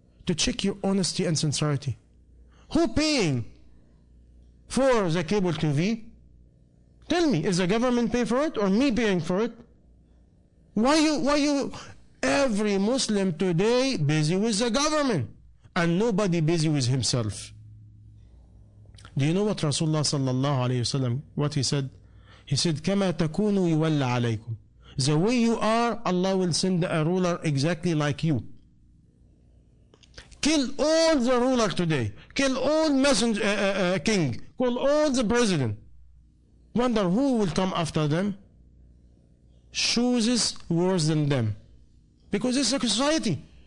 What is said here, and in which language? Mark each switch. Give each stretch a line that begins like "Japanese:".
English: To check your honesty and sincerity. Who paying for the cable TV? Tell me, is the government paying for it or me paying for it? Why you? Every Muslim today busy with the government and nobody busy with himself. Do you know what Rasulullah sallallahu alayhi wa sallam, what he said? He said,
Arabic: كَمَا تَكُونُوا يُوَلَّ عَلَيْكُمْ.
English: The way you are, Allah will send a ruler exactly like you. Kill all the ruler today. Kill all messenger, king. Kill all the president. Wonder who will come after them? Chooses worse than them. Because it's a society.